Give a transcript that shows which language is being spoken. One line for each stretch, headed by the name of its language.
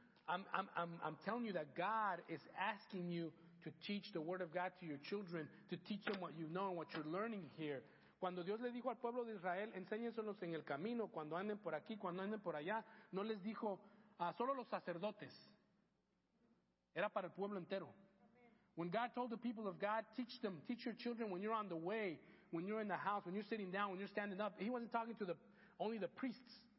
English: I'm telling you that God is asking you to teach the word of God to your children, to teach them what you know and what you're learning here.
Spanish: Cuando Dios le dijo al pueblo de Israel, enséñenselos en el camino, cuando anden por aquí, cuando anden por allá, no les dijo, solo los sacerdotes. Era para el pueblo entero.
English: When God told the people of God, teach them, teach your children when you're on the way, when you're in the house, when you're sitting down, when you're standing up. He wasn't talking to only the priests.